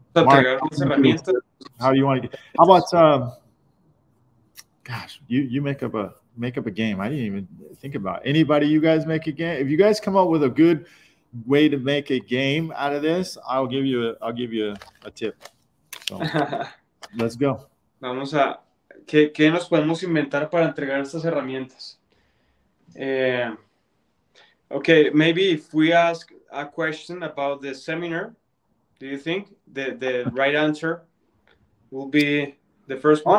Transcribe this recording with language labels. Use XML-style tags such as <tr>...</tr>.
<en>Mark, how do you want to get? How about? You make up a game. I didn't even think about it. Anybody. You guys make a game. If you guys come up with a good way to make a game out of this, I'll give you a tip. So let's go.</en> <es>Vamos a qué nos podemos inventar para entregar estas herramientas.</es> <en>Okay, maybe if we ask a question about the seminar, do you think the right answer will be the first one?</en>